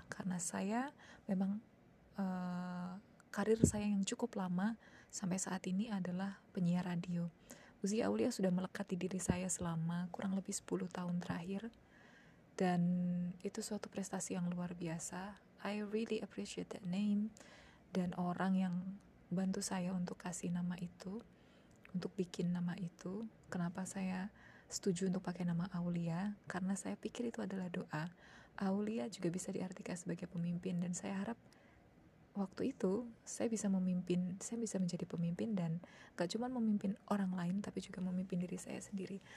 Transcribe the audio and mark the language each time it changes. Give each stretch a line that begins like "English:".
Indonesian: Karena saya memang karir saya yang cukup lama sampai saat ini adalah penyiar radio. Uzi Aulia sudah melekat di diri saya selama kurang lebih 10 tahun terakhir. Dan itu suatu prestasi yang luar biasa.
English: I really appreciate that name.
Indonesian: Dan orang yang bantu saya untuk kasih nama itu, untuk bikin nama itu, kenapa saya setuju untuk pakai nama Aulia, karena saya pikir itu adalah doa. Aulia juga bisa diartikan sebagai pemimpin, dan saya harap waktu itu saya bisa memimpin, saya bisa menjadi pemimpin, dan gak cuma memimpin orang lain, tapi juga memimpin diri saya sendiri.